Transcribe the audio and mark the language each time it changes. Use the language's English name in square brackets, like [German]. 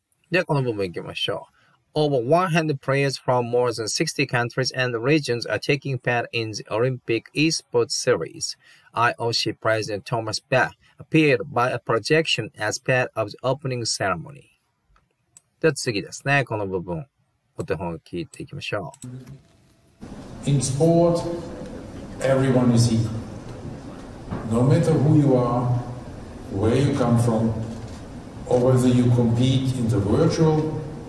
[Japanese] ではこの部分行きましょう。 [English] Over 100 players from more than 60 countries and regions are taking part in the Olympic eSports series. IOC President Thomas Bach appeared by a projection as part of the opening ceremony. [Japanese] では次ですね、この部分、お手本を聞いていきましょう。 [English] In sport, everyone is equal. No matter who you are, where you come from, or whether you compete in the virtual,